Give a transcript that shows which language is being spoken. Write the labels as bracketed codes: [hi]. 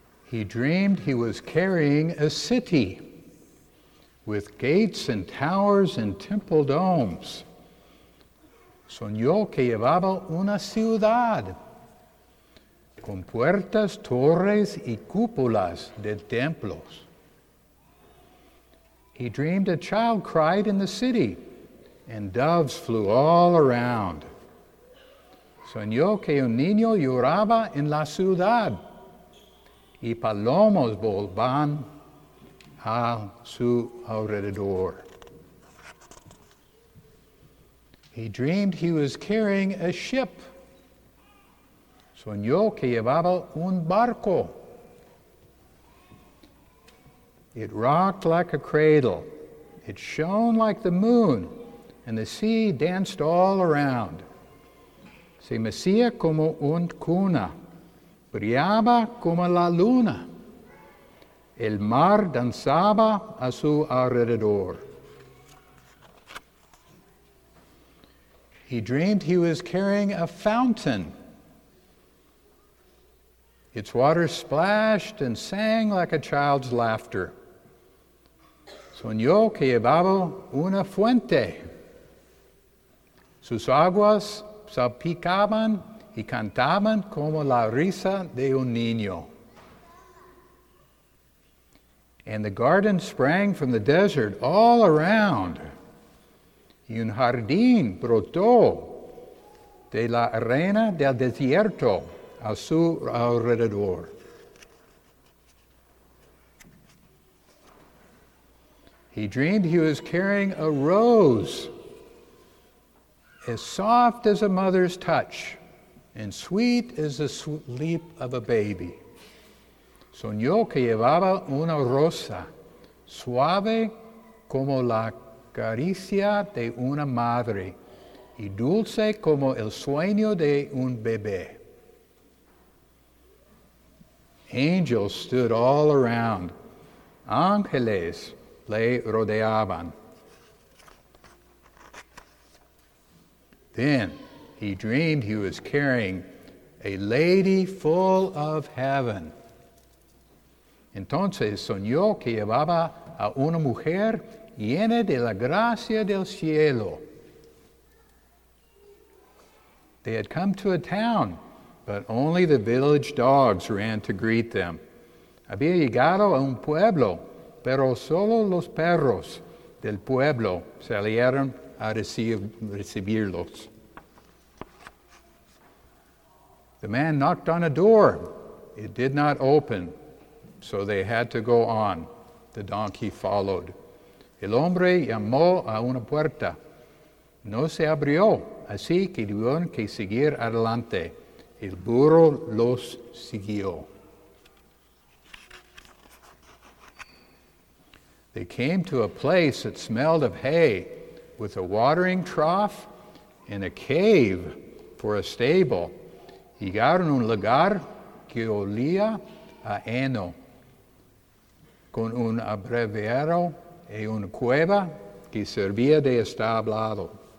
[en] He dreamed he was carrying a city with gates and towers and temple domes. [es] Soñó que llevaba una ciudad con puertas, torres y cúpulas de templos. [en] He dreamed a child cried in the city and doves flew all around. [es] Soñó que un niño lloraba en la ciudad y palomos volaban a su alrededor. [en] He dreamed he was carrying a ship. [es] Soñó que llevaba un barco. [en] It rocked like a cradle. It shone like the moon, and the sea danced all around. [es] Se mecía como un cuna. Brillaba como la luna. El mar danzaba a su alrededor. [en] He dreamed he was carrying a fountain. Its water splashed and sang like a child's laughter. [es] Soñó que llevaba una fuente. Sus aguas salpicaban y cantaban como la risa de un niño. [en] And the garden sprang from the desert all around. [es] Y un jardín brotó de la arena del desierto a su alrededor. [en] He dreamed he was carrying a rose as soft as a mother's touch and sweet as the sleep of a baby. [es] Soñó que llevaba una rosa suave como la caricia de una madre y dulce como el sueño de un bebé. [en] Angels stood all around. [es] Ángeles le rodeaban. [en] Then he dreamed he was carrying a lady full of heaven. [es] Entonces soñó que llevaba a una mujer llena de la gracia del cielo. [en] They had come to a town, but only the village dogs ran to greet them. [es] Había llegado a un pueblo, pero solo los perros del pueblo salieron a recibirlos. [en] The man knocked on a door. It did not open. So they had to go on. The donkey followed. [es] El hombre llamó a una puerta. No se abrió, así que tuvieron que seguir adelante. El burro los siguió. [en] They came to a place that smelled of hay, with a watering trough and a cave for a stable. [es] Llegaron a un lugar que olía a heno, con un abrevadero y una cueva que servía de establo.